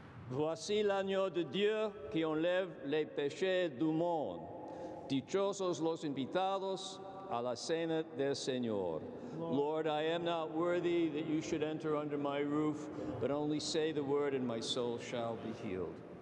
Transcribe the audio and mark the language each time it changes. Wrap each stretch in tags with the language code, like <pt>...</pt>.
<fr>Voici l'agneau de Dieu qui enlève les péchés du monde.</fr> <es>Dichosos los invitados a la cena del Señor.</es> <en>Lord, I am not worthy that you should enter under my roof, but only say the word and my soul shall be healed.</en>